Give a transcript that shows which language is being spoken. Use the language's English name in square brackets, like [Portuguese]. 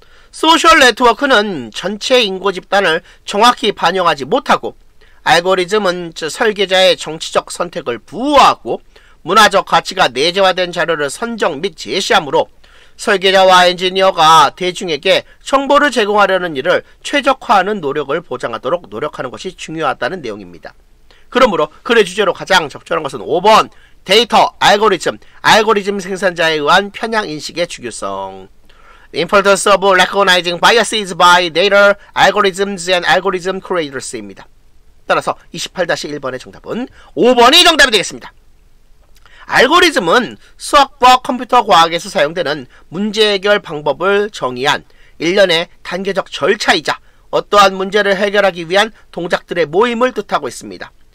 [Korean] 소셜 네트워크는 전체 인구 집단을 정확히 반영하지 못하고 알고리즘은 설계자의 정치적 선택을 부호하고 문화적 가치가 내재화된 자료를 선정 및 제시하므로 설계자와 엔지니어가 대중에게 정보를 제공하려는 일을 최적화하는 노력을 보장하도록 노력하는 것이 중요하다는 내용입니다. 그러므로 글의 주제로 가장 적절한 것은 5번 데이터, 알고리즘, 알고리즘 생산자에 의한 편향 인식의 중요성. [English] The importance of recognizing biases by data, algorithms and algorithm creators [Korean] 입니다. 따라서 28-1번의 정답은 5번이 정답이 되겠습니다. 알고리즘은 수학과 컴퓨터 과학에서 사용되는 문제 해결 방법을 정의한 일련의 단계적 절차이자 어떠한 문제를 해결하기 위한 동작들의 모임을 뜻하고 있습니다.